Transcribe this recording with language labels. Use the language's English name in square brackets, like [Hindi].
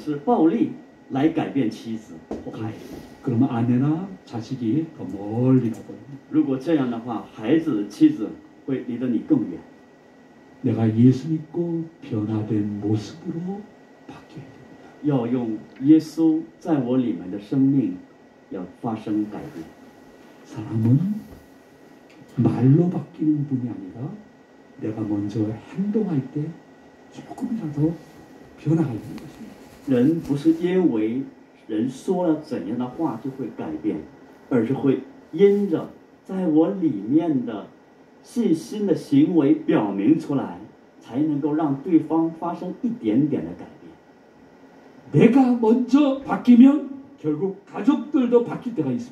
[Chinese] 不要想着用暴言啊粗暴的语言或者是暴力来改变妻子或孩子。 [Korean] 그러면 아내나 자식이 더 멀리 가거든요. [Chinese] 如果这样的话，孩子、妻子会离得你更远。 [Korean] 내가 예수 믿고 변화된 모습으로 바뀌어야 됩니다. [Chinese] 要用耶稣在我里面的生命，要发生改变。 [Korean] 사람은 말로 바뀌는 분이 아니라 내가 먼저 행동할 때 조금이라도 변화가 있는 것입니다. [Chinese] 人不是因为 人说了怎样的话就会改变，而是会因着在我里面的信心的行为表明出来，才能够让对方发生一点点的改变。 [Korean] 내가 먼저 바뀌면 결국 가족들도 바뀔 때가